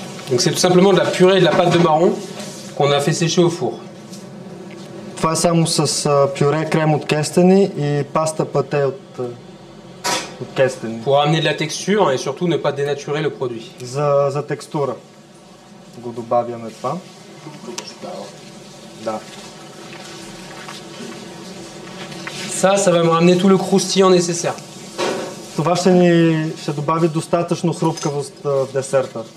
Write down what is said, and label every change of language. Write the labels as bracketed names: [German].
[French] Donc c'est tout simplement de la purée de la pâte de marron qu'on a fait sécher au four. [Bulgarian] Това е само с пюре, крем от кестени и паста пате от кестени. [French] Pour amener de la texture et surtout ne pas dénaturer le produit. [Bulgarian] За текстура го добавяме това. Да. [French] Ça va me ramener tout le croustillant nécessaire. [Bulgarian] Това ще добави достатъчно хрупкавост в десерта.